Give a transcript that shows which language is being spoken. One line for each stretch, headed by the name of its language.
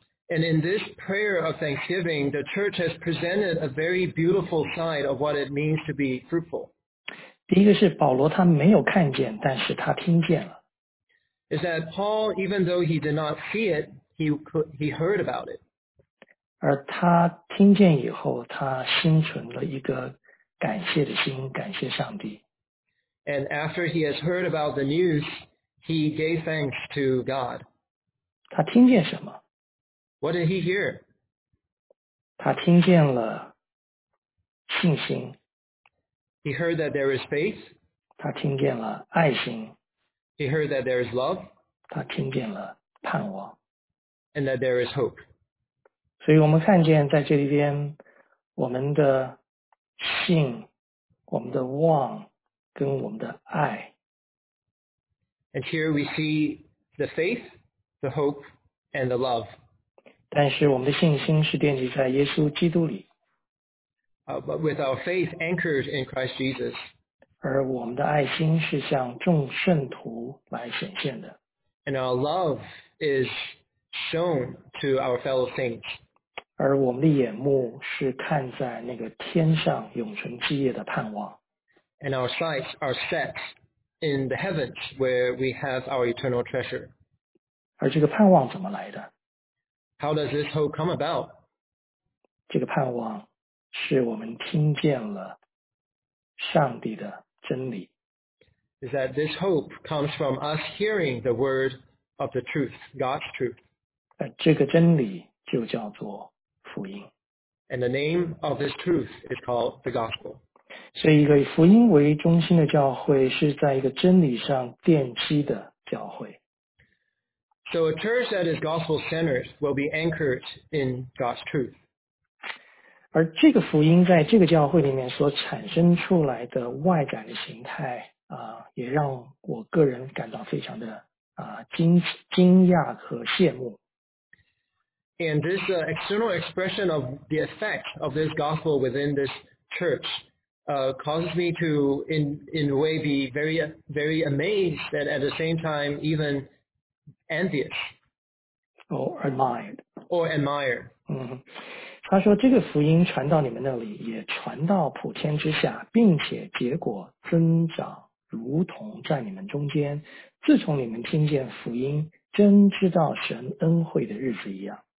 English: And in this prayer of thanksgiving, the church has presented a very beautiful side of what it means to be fruitful.
Chinese: 第一个是保罗他没有看见，但是他听见了。
English: Is that Paul, even though he did not see it, he heard about it.
Chinese: 而他听见以后，他心存了一个感谢的心，感谢上帝。
English: And after he has heard about the news, he gave thanks to God.
Chinese: 他听见什么？
English: What did he hear?
Chinese: 他听见了信心。
English: He heard that there is faith.
Chinese: 他听见了爱心。
English: He heard that there is love.
Chinese: 他听见了盼望。
English: And that there is hope.
Chinese: 所以我们看见在这里边，我们的信，我们的望，跟我们的爱。
English: And here we see the faith, the hope, and the love.
Chinese: 但是我们的信心是奠基在耶稣基督里。
English: But with our faith anchored in Christ Jesus.
Chinese: 而我们的爱心是向众圣徒来显现的。
English: And our love is shown to our fellow saints.
Chinese: 而我们的眼目是看在那个天上永存基业的盼望。
English: And our sights are set in the heavens where we have our eternal treasure.
Chinese: 而这个盼望怎么来的？
English: How does this hope come about?
Chinese: 这个盼望是我们听见了上帝的真理。
English: Is that this hope comes from us hearing the word of the truth, God's truth.
Chinese: 这个真理就叫做福音。
English: And the name of this truth is called the gospel.
Chinese: 所以一个以福音为中心的教会是在一个真理上奠基的教会。
English: So a church that is gospel-centered will be anchored in God's truth.
Chinese: 而这个福音在这个教会里面所产生出来的外感的形态也让我个人感到非常的惊讶和羡慕。
English: And this external expression of the effect of this gospel within this church causes me to in a way be very, very amazed and at the same time evenEnvious. Or admired. Or admired.
Chinese: 他说这个福音传到你们那里，也传到普天之下，并且结果增长，如同在你们中间，自从你们听见福音，真知道神恩惠的日子一样。